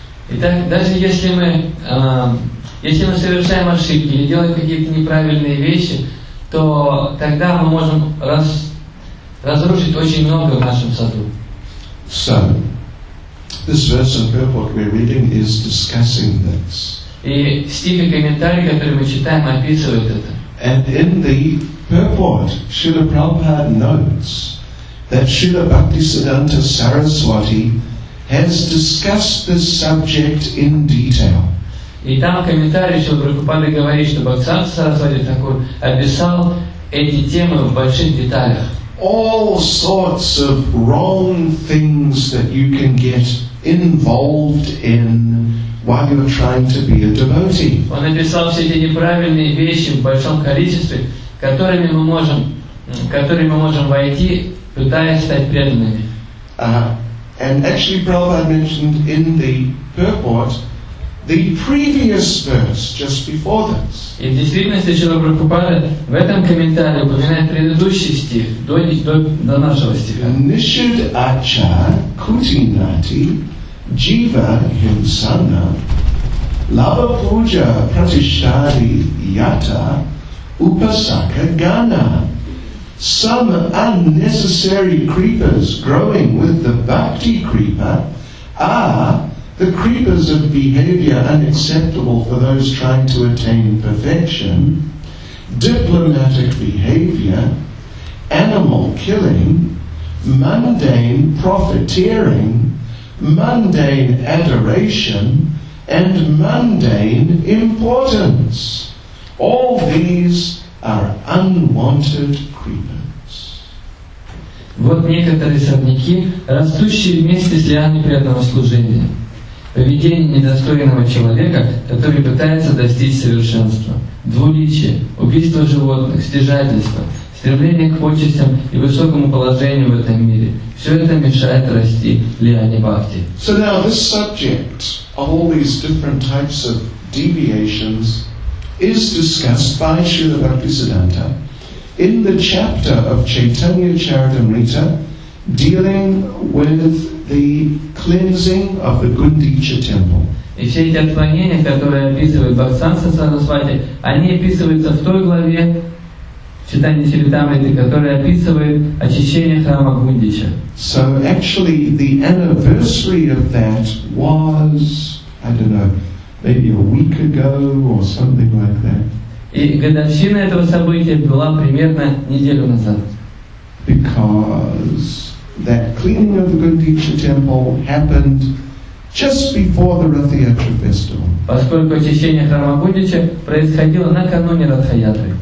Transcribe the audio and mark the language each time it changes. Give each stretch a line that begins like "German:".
Russian: Итак, даже если мы совершаем ошибки или делаем какие-то неправильные вещи, то тогда мы можем разрушить очень много в нашем саду.
English: So, this verse of purport we're reading is discussing this.
Russian: И стих и комментарий, который мы читаем, описывают это.
English: And in the purport, Srila Prabhupada notes that Srila Bhaktisiddhanta Saraswati has discussed this subject in detail.
Russian: И там комментарий, Шрила Прабхупада говорит, что Бхактисиддханта Сарасвати Такур описал эти темы в больших деталях.
English: All sorts of wrong things that you can get involved in while you're trying to be a devotee.
Russian: Он описал все эти неправильные вещи в большом количестве, которыми мы можем войти, пытаясь стать преданными.
English: And actually Prabhupada mentioned in the purport the previous verse just before this.
Russian: И в действительности Шрила Прабхупада в этом комментарии упоминает предыдущий стих до нашего стиха. Нишид ача кутинати Jiva Hinsana Lava Puja Pratishari Yata Upasaka Gana.
English: Some unnecessary creepers growing with the bhakti creeper are the creepers of behavior unacceptable for those trying to attain perfection, diplomatic behavior, animal killing, mundane profiteering, mundane adoration, and mundane importance. All these are unwanted creepers.
Russian: Вот некоторые сорняки, растущие вместе с лианой преданного служения. Поведение недостойного человека, который пытается достичь совершенства. Двуличие, убийство животных, стяжательство, стремление к почестям и высокому положению в этом мире. Все это мешает расти лиане бхакти.
English: So now this subject of all these different types of deviations is discussed by Srila Bhaktisiddhanta in the chapter of Chaitanya Charitamrita dealing with the cleansing of the Gundicha temple.
Russian: И все эти отклонения, которые описывает Бхактисиддханта Сарасвати, они описываются в той главе Читание Чаритамриты, которое описывает очищение храма Гундича.
English: So actually the anniversary of that was, I don't know, maybe a week ago or something like that.
Russian: И годовщина этого события была примерно неделю назад.
English: Because that cleaning of the Gundicha temple happened just before the Ratha-yatra festival.
Russian: Поскольку очищение храма Гундича происходило накануне Ратха-Ятры.